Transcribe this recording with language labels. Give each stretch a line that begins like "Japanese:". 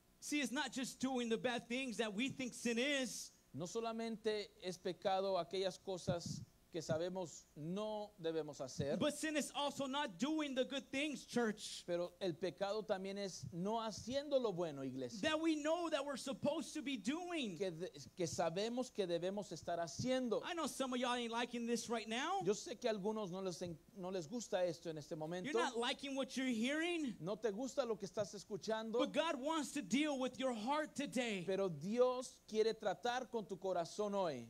English: See, it's not just doing the bad things that we think sin is.
Spanish: No solamente es pecado aquellas cosas que sabemos no debemos hacer.
English: But sin is also not doing the good things, church.
Spanish: Pero el pecado también es no haciendo lo bueno, iglesia.
English: That we know that we're supposed to be doing.
Spanish: Que sabemos que debemos estar haciendo.
English: I know some of y'all ain't liking this right now.
Spanish: Yo sé que algunos no les gusta esto en este momento.
English: You're not liking what you're hearing.
Spanish: No te gusta lo que estás escuchando.
English: But God wants to deal with your heart today.
Spanish: Pero Dios quiere tratar con tu corazón hoy.